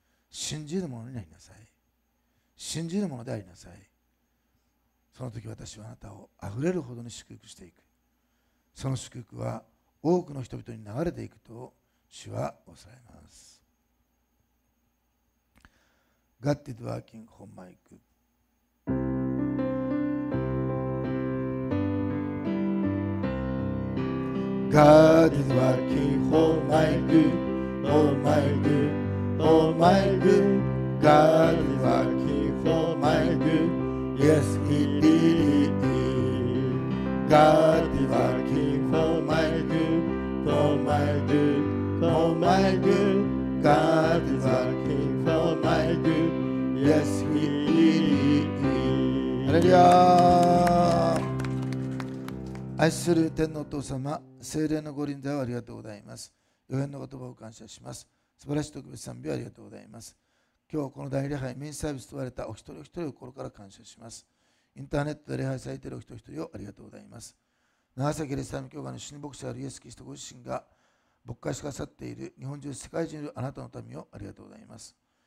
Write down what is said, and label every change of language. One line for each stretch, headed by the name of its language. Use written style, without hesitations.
Japanese: 信じる者になりなさい。信じる者でありなさい。その時私はあなたをあふれるほどに祝福していく。その祝福は多くの人々に流れていくと主は仰せられます。
English: God is working on my good。 God is working on my good, on my good, on my good. God is working on my good, yes He did it. God is working on my good, on my good, on my good. God is working on my good, yes He did it. Hallelujah.
Japanese: 愛する天のお父様、聖霊の御臨在をありがとうございます。予言の言葉を感謝します。素晴らしい特別賛美をありがとうございます。今日この大礼拝メインサービスと言われたお一人お一人を心から感謝します。インターネットで礼拝されているお一人お一人をありがとうございます。長崎礼拝教会の主任牧師であるイエス・キリストご自身が牧会しかさっている日本中世界中にいるあなたの民をありがとうございます。